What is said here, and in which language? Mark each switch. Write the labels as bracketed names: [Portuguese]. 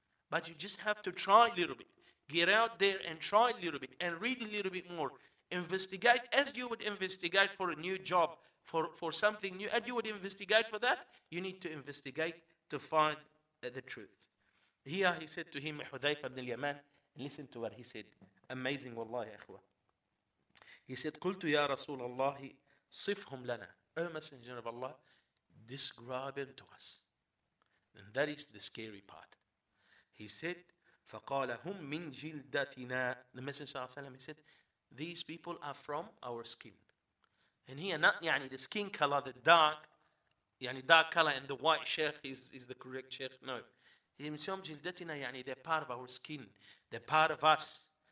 [English] But you just have to try a little bit. Get out there and try a little bit and read a little bit more. Investigate as you would investigate for a new job, for something new. And you would investigate for that. You need to investigate to find the truth. Here he said to him, Hudhayfa ibn al-Yaman, listen to what he said. Amazing, wallahi, akhwa. He said, [Arabic] قُلْتُ يَا رَسُولَ اللَّهِ صِفْهُمْ لَنَا. [English] O Messenger of Allah, describe him to us. And that is the scary part. He said, [Arabic] فَقَالَ هُمْ مِنْ جِلْدَتِنَا. [English] The Messenger of Allah, he said, these people are from our skin. And here, not يعني, the skin color, the dark, يعني, dark color and the white sheikh is the correct sheikh. No. [Arabic] هم جلدتنا, [English] يعني, they're part of our skin. They're part of us.